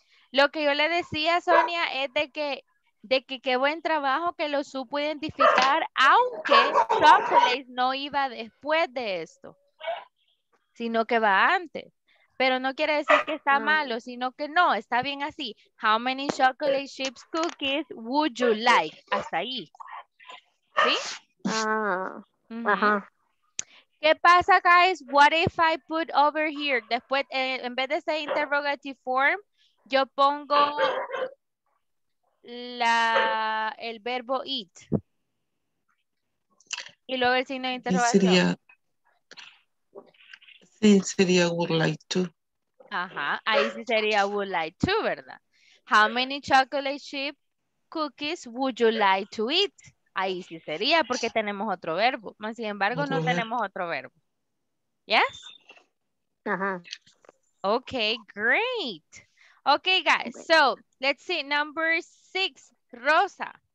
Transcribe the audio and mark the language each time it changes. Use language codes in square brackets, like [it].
[es] Lo que yo le decía, Sonia, es de que qué buen trabajo que lo supo identificar, aunque chocolate no iba después de esto, sino que va antes. Pero no quiere decir que está malo, sino que no, está bien así. [en] How many chocolate chips cookies would you like? [es] Hasta ahí. ¿Sí? ¿Qué pasa, [en] guys? What if I put over here? [es] Después, en vez de ser interrogative form, yo pongo... el verbo eat y luego el signo de interrogación sería [en] would like to. [es] Ajá, ahí sí sería [en] would like to, [es] ¿verdad? [en] How many chocolate chip cookies would you like to eat? [es] Ahí sí sería porque tenemos otro verbo, más sin embargo no tenemos otro verbo. ¿Yes? Ajá. [en] Okay, great. Okay, guys. Great. So let's see number six, Rosa.